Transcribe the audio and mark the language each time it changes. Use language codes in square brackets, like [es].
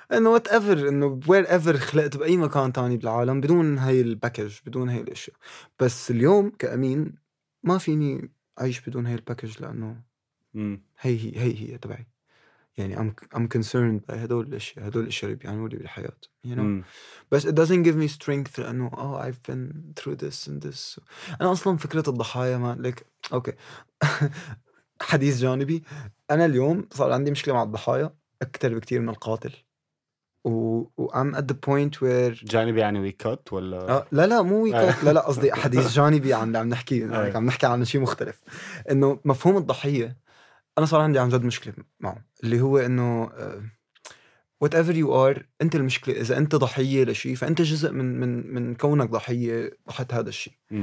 [ar] إنه whatever، إنه wherever خلقت بأي مكان تاني بالعالم بدون هاي الباكج، بدون هاي الأشياء. بس اليوم كأمين ما فيني أعيش بدون هاي الباكج، لأنه هي تبعي، يعني [en] I'm concerned by [ar] هدول الأشياء اللي بيعملوا لي بالحياة، you know. [en] بس it doesn't give me strength لأنه oh I've been through this and this. [ar] أنا أصلا فكرة الضحايا ما لك أوكي حديث جانبي، أنا اليوم صار عندي مشكلة مع الضحايا أكتر بكتير من القاتل، و [en] I'm at the point where [ar] جانبي يعني ويكات ولا لا مو ويكات لا قصدي حديث جانبي عن اللي عم نحكي يعني عم نحكي عن شيء مختلف، إنه مفهوم الضحية أنا صار عندي عن جد مشكلة معه، اللي هو إنه [en] whatever you are [ar] أنت المشكلة، إذا أنت ضحية لشيء فأنت جزء من من من كونك ضحية تحت هذا الشيء.